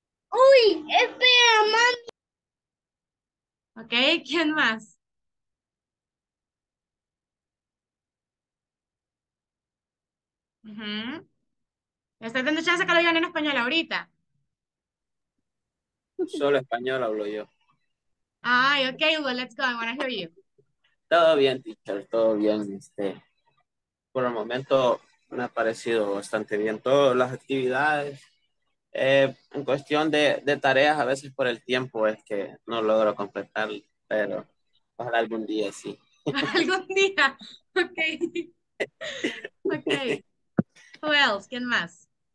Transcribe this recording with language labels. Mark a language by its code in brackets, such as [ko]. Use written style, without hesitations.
[es] Uy, espera, mami. Ok, ¿quién más? ¿Estás teniendo chance que lo digan en español ahorita? Solo español hablo yo. [en] Ay, ok, well, let's go. I want to hear you. [es] Todo bien, teacher, todo bien. Por el momento me ha parecido bastante bien todas las actividades. En cuestión de tareas, a veces por el tiempo es que no logro completar, pero ojalá algún día sí. Algún día, ok. Ok. [en] Who else? [es] ¿Quién más?